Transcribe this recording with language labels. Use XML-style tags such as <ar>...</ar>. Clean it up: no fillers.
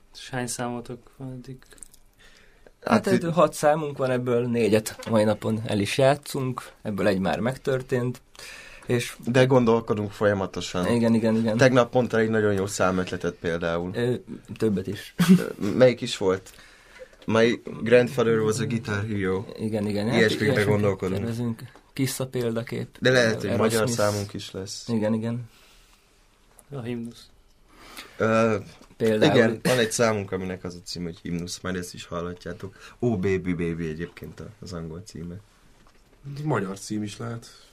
<hu>Hány számotok van eddig? Hát 6 számunk van, ebből 4-et mai napon el is játszunk, ebből egy már megtörtént. És de gondolkodunk folyamatosan. Igen. Tegnap mondta egy nagyon jó számötletet például. Többet is. Melyik is volt?</hu> <en>My grandfather was a guitar hero.</en> <hu>Igen. Ilyesmikre gondolkodunk. Tervezünk. Kissa példakép. De lehet, hogy magyar számunk is lesz. Igen. A himnusz. Például. Igen, van egy számunk, aminek az a cím, hogy himnusz, már ezt is hallhatjátok. Oh, baby, baby egyébként az angol címe. Magyar cím is lehet.</hu>